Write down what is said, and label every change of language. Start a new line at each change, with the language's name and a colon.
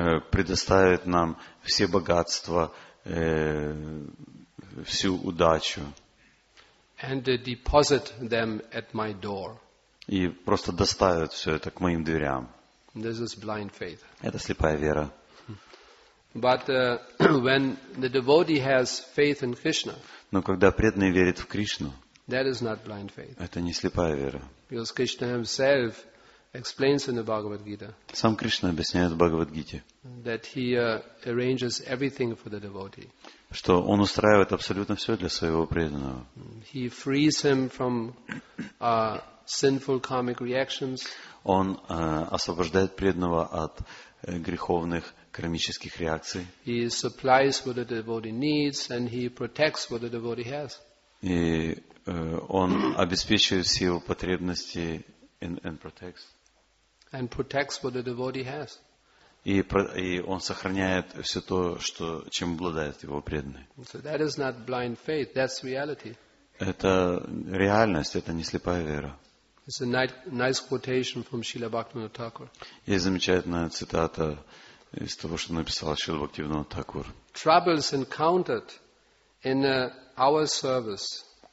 Russian: Предоставит нам все богатства, всю удачу.
English: And deposit them at my door.
Russian: И просто доставит все это к моим дверям.
English: This is blind faith.
Russian: Это слепая вера.
English: But when the devotee has faith in Krishna,
Russian: но когда преданный верит в Кришну,
English: that is not blind faith.
Russian: Это не слепая вера.
English: Because Krishna himself explains in the Bhagavad Gita.
Russian: Сам Кришна объясняет в Бхагавад-гите.
English: That he arranges everything for the devotee.
Russian: что он устраивает абсолютно все для своего преданного.
English: He frees him from sinful karmic reactions.
Russian: Он освобождает преданного от греховных кармических реакций.
English: He supplies what the devotee needs and he protects what the devotee has.
Russian: И он обеспечивает все его потребности
English: and protects. And protects what the devotee has.
Russian: И он сохраняет все то, что, чем обладает его преданный.
English: So that is not blind faith, that's reality.
Russian: Это реальность, это не слепая вера.
English: It's a nice quotation from Srila Bhaktivinoda Thakur.
Russian: Есть замечательная цитата из того, что написал Шрила Бхактивинода Тхакур.
English: Troubles encountered in our service.